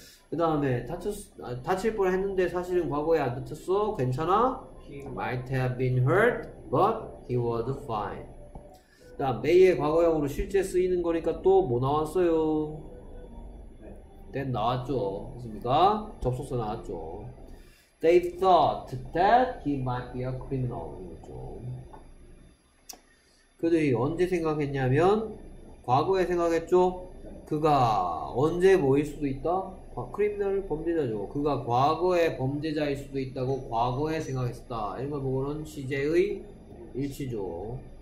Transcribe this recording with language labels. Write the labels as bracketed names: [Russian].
[Korean] 그 다음에 다칠 뻔 했는데 사실은 과거에 안 다쳤어. 괜찮아? [English] Might have been hurt, but he was fine. [Korean] 그 다음 may의 과거형으로 실제 쓰이는 거니까 또 뭐 나왔어요? Then 나왔죠. 됐습니까? 접속사 나왔죠. [English] They thought that he might be a criminal. [Korean] 그들이 언제 생각했냐면 과거에 생각했죠. 그가 언제 뭐일 수도 있다? 크리미널 범죄자죠. 그가 과거의 범죄자일 수도 있다고 과거에 생각했다. 이런 걸 보고는 시제의 일치죠.